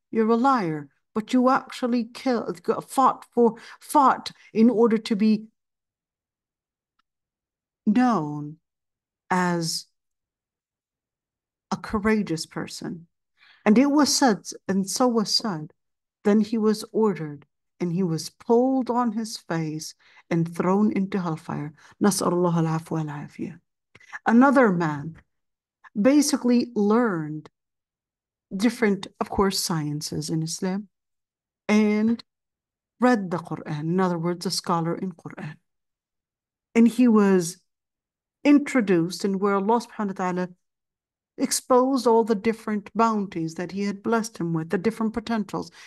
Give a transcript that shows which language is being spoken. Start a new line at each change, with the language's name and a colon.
English: You're a liar, but you actually fought in order to be known as a courageous person. And it was said, and so was said, then he was ordered and he was pulled on his face and thrown into hellfire.
Arabic: نسأل الله العفو والعافية.
English: Another man basically learned different, of course, sciences in Islam, and read the Quran, in other words, a scholar in Quran. And he was introduced, and where Allah subhanahu wa ta'ala exposed all the different bounties that he had blessed him with, the different potentials.